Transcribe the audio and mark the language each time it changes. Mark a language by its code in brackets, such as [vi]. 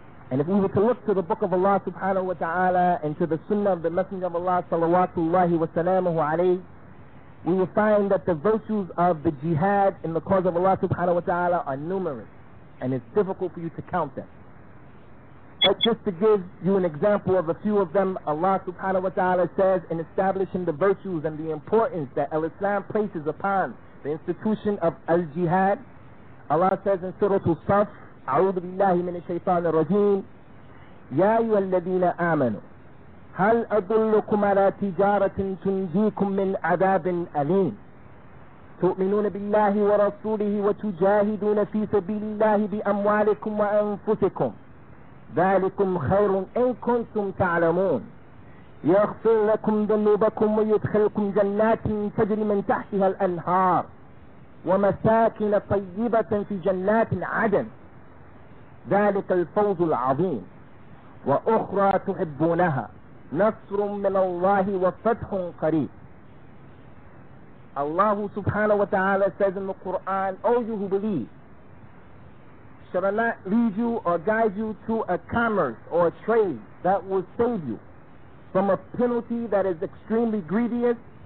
[en] And if we were to look to the book of Allah subhanahu wa ta'ala and to the Sunnah of the Messenger of Allah salawatullahi wa salamuhu alayhi, we will find that the virtues of the jihad in the cause of Allah subhanahu wa ta'ala are numerous, and it's difficult for you to count them. But just to give you an example of a few of them, Allah subhanahu wa ta'ala says in establishing the virtues and the importance that al-Islam places upon the institution of al-jihad, Allah says in Surah Al-Saf, [ar] أعوذ بالله من الشيطان الرجيم يا أيها الذين آمنوا هل أدلكم على تجارة تنجيكم من عذاب أليم تؤمنون بالله ورسوله وتجاهدون في سبيل الله بأموالكم وأنفسكم ذلكم خير إن كنتم تعلمون يغفر لكم ذنوبكم ويدخلكم جنات تجري من تحتها الأنهار ومساكن طيبة في جنات عدن ذلك الفوز العظيم وأخرى تحبونها نصر من الله وفتح قريب. [en] Allah subhanahu wa ta'ala says in the Quran, O you who believe, shall I not lead you or guide you to a commerce or a trade that will save you from a penalty that is extremely grievous?